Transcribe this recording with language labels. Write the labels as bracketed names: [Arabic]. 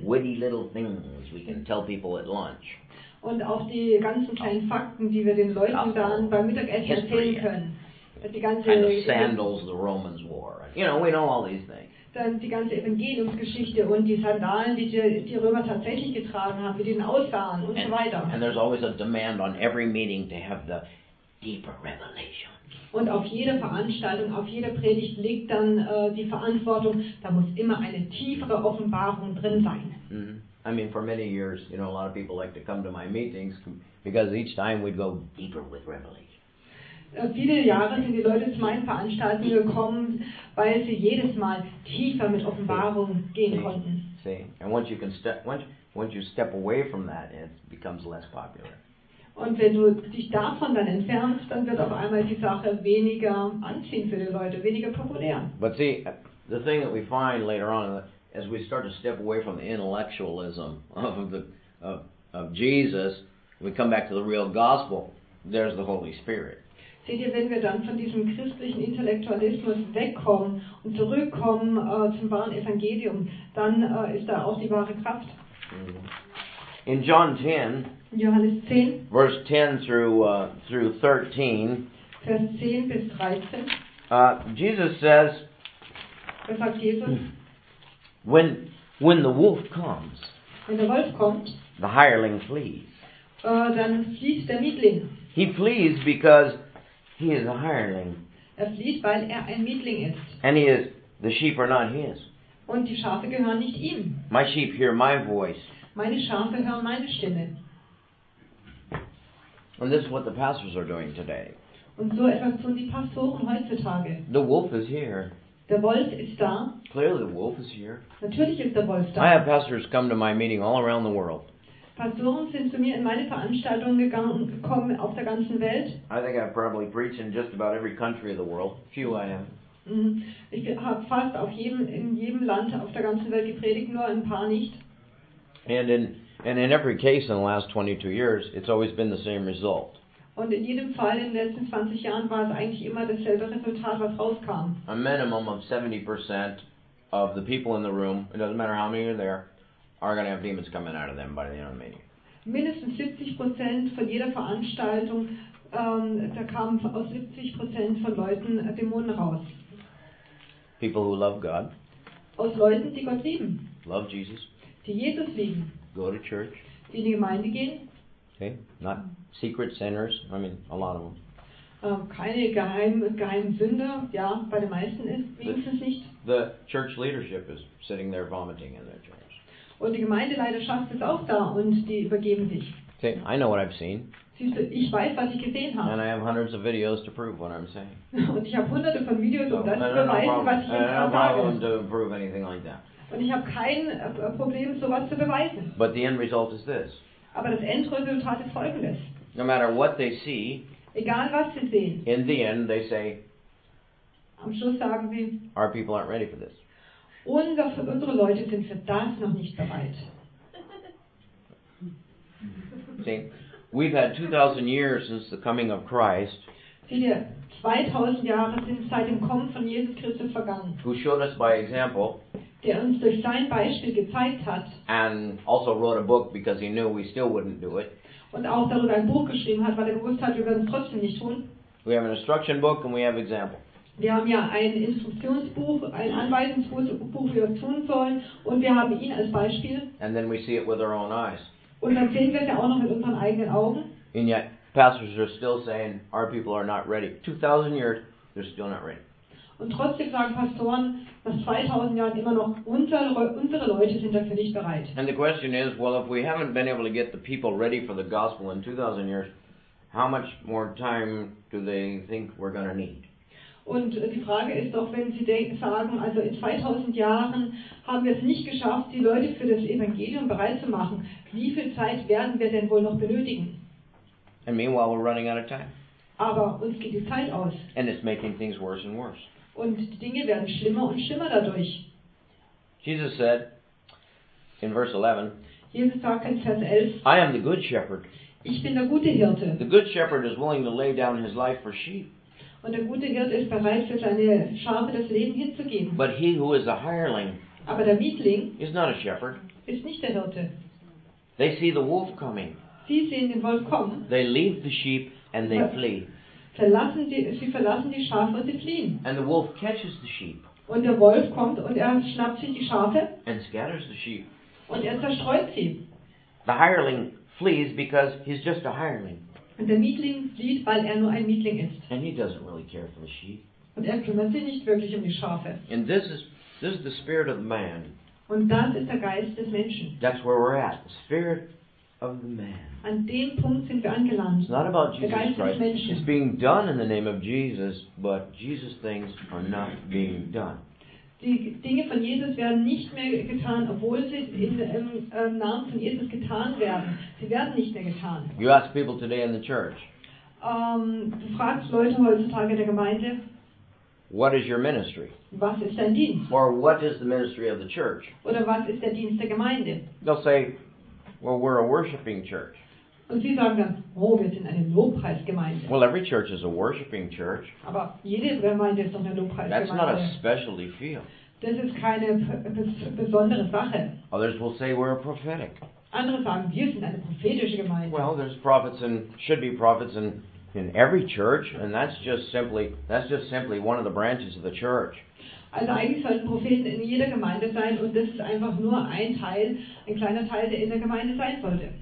[English] Witty little things we can tell people at lunch. [German] Und auch die ganzen kleinen Fakten, die wir den Leuten dann beim Mittagessen erzählen können. Die ganze [English] kind of sandals the Romans wore. You know, we know all these things. [German] Dann die ganze Evangeliumsgeschichte und die Sandalen, die die Römer tatsächlich getragen haben, wie die aussahen und so weiter. [English] And there's always a demand on every meeting to have the deeper revelation. [German] Und auf jeder Veranstaltung, auf jeder Predigt liegt dann die Verantwortung, da muss immer eine tiefere Offenbarung drin sein. [English] Mm-hmm. I mean, for many years, you know, a lot of people like to come to my meetings because each time we'd go deeper with revelation. [German] Viele Jahre sind die Leute zu meinen Veranstaltungen gekommen, weil sie jedes Mal tiefer mit Offenbarung gehen konnten. [English] See, and once you can step, once you step away from that, it becomes less popular. [German] Und wenn du dich davon dann entfernst, dann wird auf einmal die Sache weniger anziehend für die Leute, weniger populär. [English] But see, the thing that we find later on, as we start to step away from the intellectualism of Jesus, we come back to the real gospel. There's the Holy Spirit. [German] Seht ihr, wenn wir dann von diesem christlichen Intellektualismus wegkommen und zurückkommen zum wahren Evangelium, dann ist da auch die wahre Kraft. [English] In John 10, [German] Johannes 10, [English] verse 10 through 13, [German] Vers 10 bis 13, [English] Jesus says, [German] was sagt Jesus? [English] When the wolf comes, [German] wenn der Wolf kommt, [English] the hireling flees. [German] Dann flieht der Mietling. [English] He flees because he is a hireling. [German] Er flieht, weil er ein Mietling ist. [English] And he is, the sheep are not his. [German] Und die Schafe gehören nicht ihm. [English] My sheep hear my voice. [German] Meine Schafe hören meine Stimme. [English] And this is what the pastors are doing today. [German] Und so etwas tun die Pastoren heutzutage. [English] The wolf is here. [German] Der Wolf ist da. [English] Clearly the wolf is here. [German] Natürlich ist der Wolf da. [English] I have pastors come to my meeting all around the world. [German] Pastoren sind zu mir in meine Veranstaltungen gekommen auf der ganzen Welt. [English] I think I've probably preached in just about every country of the world. Few I am. [German] Ich habe fast auf in jedem Land auf der ganzen Welt gepredigt, nur ein paar nicht. [English] And in every case in the last 22 years, it's always been the same result. [German] Und in jedem Fall in den letzten 20 Jahren war es eigentlich immer dasselbe Resultat, was rauskam. [English] A minimum of 70% of the people in the room, it doesn't matter how many are there, are going to have demons coming out of them by the end of the meeting. [German] Mindestens 70% von jeder Veranstaltung, da kamen aus 70% von Leuten Dämonen raus. [English] People who love God. [German] Aus Leuten, die Gott lieben. [English] Love Jesus. [German] Die Jesus lieben. [English] Go to church. [German] Die in die Gemeinde gehen. [English] Okay, not secret sinners. I mean, a lot of them. [German] Keine geheimen Sünder. Ja, bei den meisten ist wenigstens nicht. [English] The church leadership is sitting there vomiting in their church. [German] Und die Gemeindeleiter schafft es auch da und die übergeben sich. [English] Okay, I know what I've seen. [German] Siehst du, ich weiß, was ich gesehen habe. [English] And I have hundreds of videos to prove what I'm saying. [German] Und ich habe hunderte von Videos, um das zu beweisen, was ich jetzt sage. [English] I don't have a problem to prove anything like that. [German] Und ich habe kein Problem, sowas zu beweisen. [English] But the end result is this. [German] Aber das Endresultat ist folgendes. [English] No matter what they see, [German] egal was sie sehen, [English] in the end they say, [German] am Schluss sagen sie, [English] our people aren't ready for this. [German] Unsere Leute sind für das noch nicht bereit. [English] See, we've had 2000 years since the coming of Christ. [German] Seht ihr, 2000 Jahre sind seit dem Kommen von Jesus Christus vergangen. [English] Who showed us by example. [German] Der uns durch sein Beispiel gezeigt hat. [English] And also wrote a book because he knew we still wouldn't do it. [German] Und auch darüber ein Buch geschrieben hat, weil er gewusst hat, wir würden es trotzdem nicht tun. [English] We have an instruction book and we have example. [German] Wir haben ja ein Instruktionsbuch, ein Anweisungsbuch, wie wir es tun sollen, und wir haben ihn als Beispiel. [English] And then we see it with our own eyes. [German] Und dann sehen wir es ja auch noch mit unseren eigenen Augen. [English] And yet, pastors are still saying, our people are not ready. 2000 years, they're still not ready. [German] Und trotzdem sagen Pastoren, dass 2000 Jahren immer noch unsere Leute sind dafür nicht bereit. [English] And the question is, well, if we haven't been able to get the people ready for the gospel in 2000 years, how much more time do they think we're going to need? [German] Und die Frage ist doch, wenn sie sagen, also in 2000 Jahren haben wir es nicht geschafft, die Leute für das Evangelium bereit zu machen, wie viel Zeit werden wir denn wohl noch benötigen? [English] And meanwhile we're running out of time. [German] Aber uns geht die Zeit aus. [English] And it's making things worse and worse. [German] Und die Dinge werden schlimmer und schlimmer dadurch. [English] Jesus said in verse 11, [German] Jesus sagt in Vers 11, [English] I am the good shepherd. [German] Ich bin der gute Hirte. [English] The good shepherd is willing to lay down his life for sheep. [German] Und der gute Hirte ist bereit, für seine Schafe das Leben hinzugeben. [English] But he who is a hireling, [German] aber der Mietling, [English] is not a shepherd. [German] Ist nicht der Hirte. [English] They see the wolf coming. [German] Sie sehen den Wolf kommen. [English] They leave the sheep and they flee. [German] Sie verlassen die Schafe und sie fliehen. [English] And the wolf catches the sheep. [German] Und der Wolf kommt und er schnappt sich die Schafe. [English] And scatters the sheep. [German] Und er zerstreut sie. [English] The hireling flees because he's just a hireling. [German] Und der Mietling flieht, weil er nur ein Mietling ist. [English] And he doesn't really care for the sheep. [German] Und er kümmert sich nicht wirklich um die Schafe. [English] And this is the spirit of the man. [German] Und das ist der Geist des Menschen. [English] That's where we're at. The spirit of the man. [German] An dem Punkt sind wir angelangt. [English] It's not about Jesus [German] der Geist [English] Christ. [German] Des Menschen. [English] It's being done in the name of Jesus, but Jesus things are not being done. [German] Die Dinge von Jesus werden nicht mehr getan, obwohl sie im Namen von Jesus getan werden. Sie werden nicht mehr getan. [English] You ask people today in the church. [German] Du fragst Leute heutzutage in der Gemeinde. [English] What is your ministry? [German] Was ist dein Dienst? [English] Or what is the ministry of the church? [German] Oder was ist der Dienst der Gemeinde? [English] They'll say, well, we're a worshiping church. [German] Und sie sagen dann, oh, wir sind eine Lobpreisgemeinde. [English] Well, every church is a worshiping church. [German] Aber jede Gemeinde ist doch eine Lobpreisgemeinde. [English] That's not a specialty field. [German] Das ist keine besondere Sache. [English] Others will say we're a prophetic. [German] Andere sagen, wir sind eine prophetische Gemeinde. [English] Well, there's prophets and should be prophets in every church, and that's just simply one of the branches of the church. [German] Also eigentlich sollten Propheten in jeder Gemeinde sein und das ist einfach nur ein Teil, ein kleiner Teil, der in der Gemeinde sein sollte.